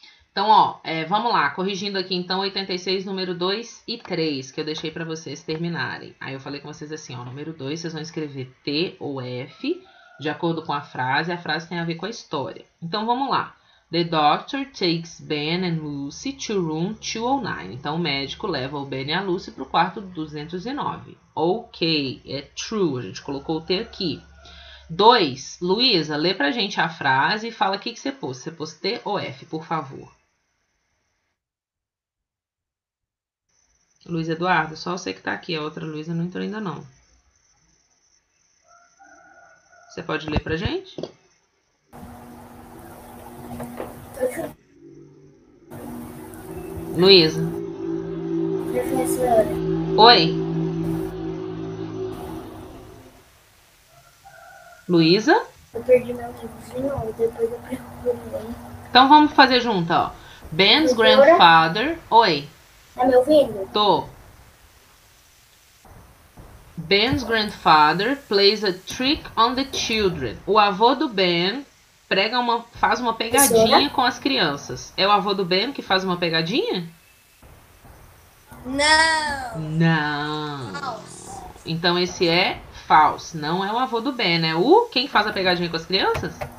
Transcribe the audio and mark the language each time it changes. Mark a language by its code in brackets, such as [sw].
[pt] Então, ó, vamos lá. Corrigindo aqui, então, 86, número 2 e 3, que eu deixei para vocês terminarem. Aí eu falei com vocês assim, ó, número 2, vocês vão escrever T ou F. De acordo com a frase tem a ver com a história. Então vamos lá. [en] The doctor takes Ben and Lucy to room 209. [pt] Então o médico leva o Ben e a Lucy para o quarto 209. Ok, é true. A gente colocou o T aqui. 2. Luísa, lê para a gente a frase e fala o que que você pôs. Você pôs T ou F, por favor. Luiz Eduardo, só você que tá aqui, a outra Luiza não entrou ainda não. Você pode ler pra gente? Luiza. Professora. Oi. Luiza? Eu perdi meu tempo de novo, depois eu procuro. Então vamos fazer junto, ó. Ben's Professora? [en] grandfather. [pt] Oi. Tá me ouvindo? Tô. [en] Ben's grandfather plays a trick on the children. [pt] O avô do Ben prega uma, faz uma Professora? pegadinha com as crianças. É o avô do Ben que faz uma pegadinha? Não! Não. Falso! Então esse é falso. Não é o avô do Ben, é o quem faz a pegadinha com as crianças?